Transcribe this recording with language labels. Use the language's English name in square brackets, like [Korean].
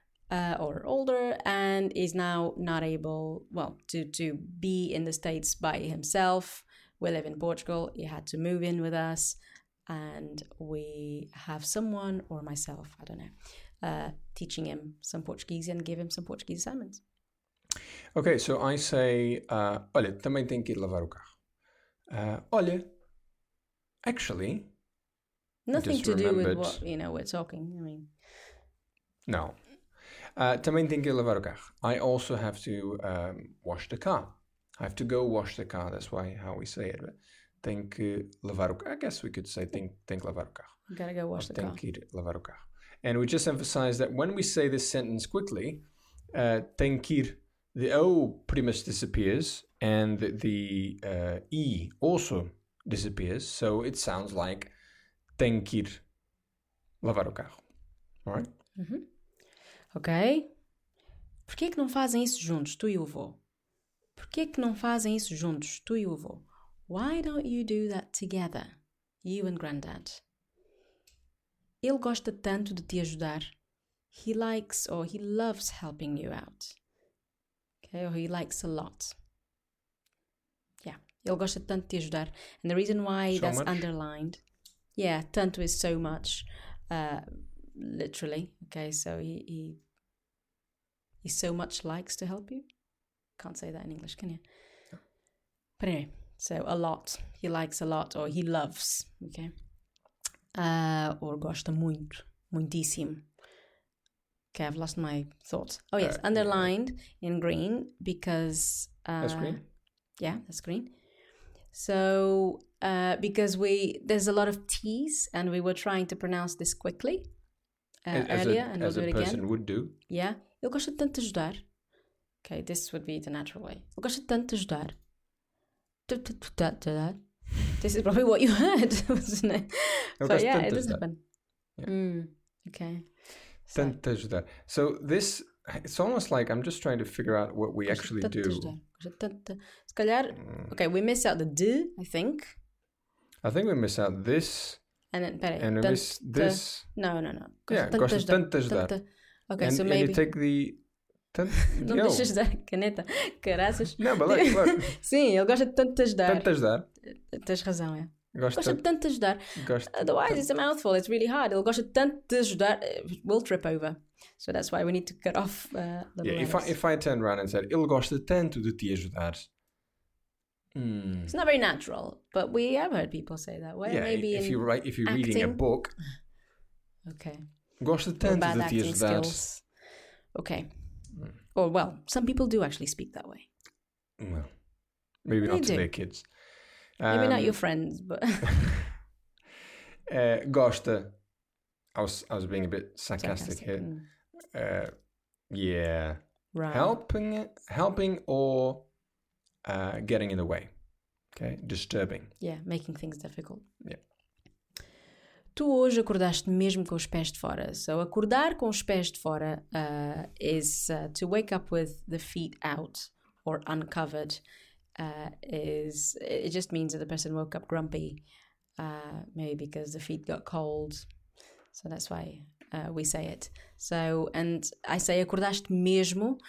[English] or older, and is now not able, well, to be in the States by himself. We live in Portugal. He had to move in with us, and we have someone, or myself, I don't know, teaching him some Portuguese and give him some Portuguese assignments. Okay, so I say, [Portuguese] olha, também tenho que ir lavar o carro. [English] Olha, actually, nothing to do with what, you know, we're talking, I mean. No. [Portuguese] Também tenho que lavar o carro. [English] I also have to wash the car. I have to go wash the car, that's why how we say it. [Portuguese] Tenho que lavar o carro. [English] I guess we could say [Portuguese] tenho que lavar o carro. [English] Gotta go wash the car. [Portuguese] Tenho que ir lavar o carro. [English] And we just emphasize that when we say this sentence quickly, [Portuguese] tenho que ir, [English] the O pretty much disappears, and the E also disappears, so it sounds like [Portuguese] tenho que ir lavar o carro. [English] All right? Mm-hmm. Okay. [Portuguese] Porquê que não fazem isso juntos, tu e o avô? Porquê que não fazem isso juntos, tu e o avô? [English] Why don't you do that together, you and granddad? [Portuguese] Ele gosta tanto de te ajudar. [English] He likes, or he loves helping you out. Okay, or he likes a lot. [Portuguese] Yeah, ele gosta tanto de te ajudar. [English] And the reason why so that's much? Underlined. Yeah, tanto is so much, literally. Okay, so he so much likes to help you. Can't say that in English, can you? Yeah. But anyway, so a lot. He likes a lot, or he loves, okay? [Portuguese] Or gosta muito, muitíssimo. [English] Okay, I've lost my thoughts. Oh yes, underlined in green because... that's green? Yeah, that's green. So, because we there's a lot of T's and we were trying to pronounce this quickly earlier and we'll do it again. As a person would do. Yeah. [Portuguese] Eu gosto tanto de ajudar. [English] Okay, this would be the natural way. [Portuguese] Eu gosto tanto de ajudar. [English] This is probably what you heard, wasn't it? But yeah, it does happen. Yeah. Okay. [Portuguese] So. Tanto ajudar. [English] So this, it's almost like I'm just trying to figure out what we actually do. [Portuguese] Se calhar, [English] okay, we miss out the D, I think. I think we miss out this. And then, pera, and we miss this. No. [Portuguese] Gosto yeah, tanto ajudar. [English] Okay, and, so maybe. And you take the... [Portuguese] Não deixas da caneta, caraças. Não, mas like, claro. Sim, ele gosta de tanto ajudar. Tanto ajudar. Tens razão, é. Gosta de tanto ajudar. [English] Otherwise, it's a mouthful. It's really hard. [Portuguese] Ele gosta tanto de ajudar. [English] We'll trip over. So that's why we need to cut off the letters. Yeah, if I turn around and said, [Portuguese] ele gosta tanto de te ajudar. [English] It's not very natural, but we have heard people say that. Well, yeah, maybe if you're right, if you're acting. Reading a book. Okay. [Portuguese] Gosta tanto de te ajudar. [English] Okay. Or, well, some people do actually speak that way. Well, maybe they not do. To their kids. Maybe not your friends, but... [Portuguese] gosta. [English] I was being a bit sarcastic here. Yeah. Right. Helping or getting in the way. Okay? Disturbing. Yeah, making things difficult. Yeah. [Portuguese] Tu hoje acordaste mesmo com os pés de fora. [English] So, [Portuguese] acordar com os pés de fora [English] is to wake up with the feet out or uncovered. It just means that the person woke up grumpy, maybe because the feet got cold. So that's why we say it. So, and I say [Portuguese] acordaste mesmo.